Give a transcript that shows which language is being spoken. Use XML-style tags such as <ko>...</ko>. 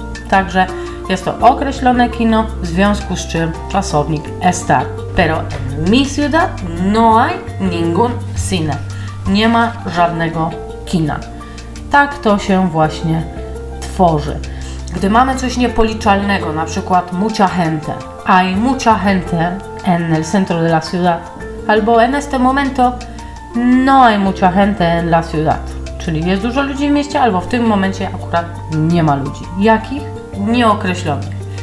<pl>Także jest to określone kino, w związku z czym czasownik está.</pl> <es>Pero en mi ciudad no hay ningún cine.</es> <pl>Nie ma żadnego kina. Tak to się właśnie tworzy. Gdy mamy coś niepoliczalnego, na przykład</pl> <es>mucha gente, hay mucha gente en el centro de la ciudad,</es> <pl>albo</pl> <es>en este momento no hay mucha gente en la ciudad,</es> <pl>czyli jest dużo ludzi w mieście, albo w tym momencie akurat nie ma ludzi. Jakich? Nieokreślonych.</pl>